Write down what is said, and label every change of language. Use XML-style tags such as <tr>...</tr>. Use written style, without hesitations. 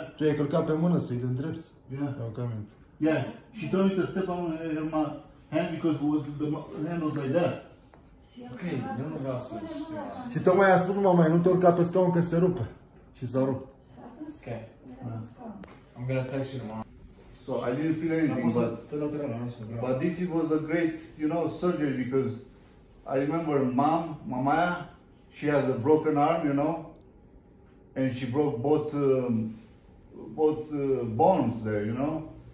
<en>I'm going to go with the Mike Tyson. Yeah, she told me to step on her hand because it was the hand was like that.</en> <ro>Okay, nu mă lasă. Și tocmai a spus mama, nu te urca pe scaun că se rupe. Și s-a rupt.</ro> <en>Okay. I'm gonna text you tomorrow. So I didn't feel anything, but this was a great, you know, surgery because I remember Mamaya, she has a broken arm, you know, and she broke both bones there, you know.</en>